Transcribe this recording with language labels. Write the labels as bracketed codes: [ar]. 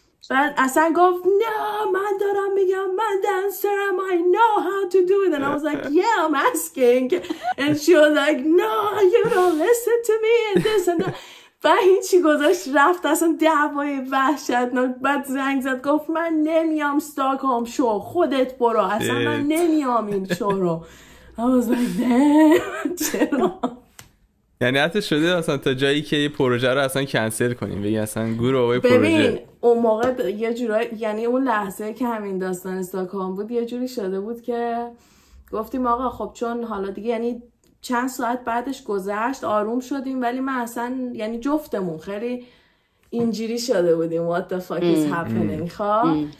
[fa] بعد اصلا گفت نه من دارم میگم من دنسرم [en] I know how to do it and I was like yeah I'm asking and she was like no you don't listen to me and this and that [fa] و هیچی گذاشت رفت اصلا دعوای وحشتناک. بعد زنگ زد گفت من نمیام استاکهلم شو خودت برو اصلا من نمیام این شو رو. [en] I was like [fa] چرا؟ یعنی حتی شده اصلا تا جایی که یه پروژه رو اصلا کنسل کنیم بگی اصلا گروه آقای پروژه. ببین اون موقع یه جورایی یعنی اون لحظه که همین داستان استاکهلم بود یه جوری شده بود که گفتیم آقا خب چون حالا دیگه یعنی چند ساعت بعدش گذشت آروم شدیم، ولی من اصلا یعنی جفتمون خیلی اینجوری شده بودیم [en] what the fuck is happening [fa] خواه.